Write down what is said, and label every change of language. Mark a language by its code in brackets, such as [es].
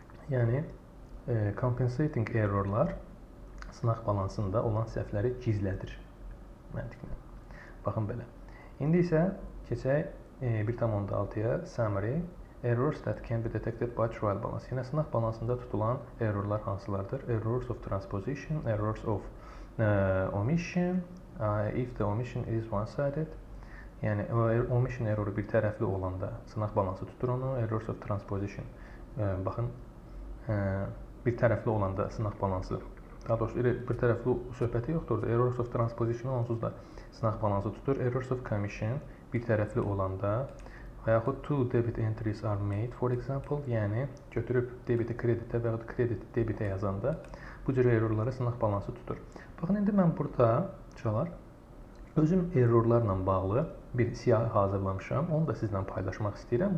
[az] Yəni, compensating errorlar sınaq balansında olan səhvləri gizlədir. Məntiqlə. Baxın belə. İndi isə keçək 1.6-ya summary. [en] Errors that can be detected by trial balance. [az] Yəni, sınaq balansında tutulan errorlar hansılardır? [en] Errors of transposition, errors of omission, if the omission is one-sided. [az] Yəni, omission erroru bir tərəfli olanda sınaq balansı tutur onu. [en] Errors of transposition, [az] baxın, bir tərəfli olanda sınaq balansı. Daha doğrusu, bir tərəfli söhbəti yoxdur. [en] Errors of transposition [az] onsuz da sınaq balansı tutur. [en] Errors of commission, [az] bir tərəfli olanda. Və yaxud [en] two debit entries are made, for example, [az] yəni götürüb debiti kreditə və yaxud krediti debitə yazanda bu cür errorları sınaq balansı tutur. Baxın, indi mən burada çalar, özüm errorlarla bağlı bir siyahı hazırlamışam, onu da sizlə paylaşmaq istəyirəm.